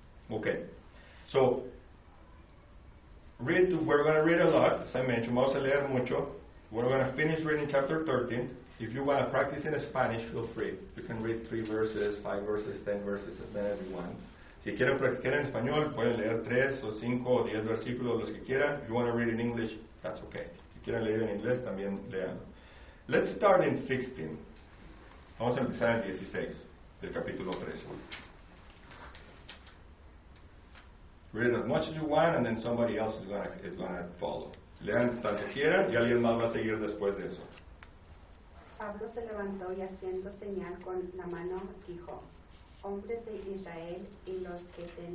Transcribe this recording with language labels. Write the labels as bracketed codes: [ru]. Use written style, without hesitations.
[en] Okay. So, we're going to read a lot, as I mentioned. [es] Vamos a leer mucho. [en] We're going to finish reading chapter 13. If you want to practice in Spanish, feel free. You can read 3 verses, 5 verses, 10 verses, as many as you want. [es] Si quieren practicar en español, pueden leer 3 o 5 o 10 versículos, los que quieran. [en] If you want to read in English, that's okay. [es] Si quieren leer en inglés, también lean. [en] Let's start in 16. [es] Vamos a empezar en 16, del capítulo 13. [en] Read as much as you want, and then somebody else is going to follow. [es] Lean tanto quieran, y alguien más va a seguir después de eso. Pablo se levantó y haciendo señal con la mano dijo: hombres de Israel y los que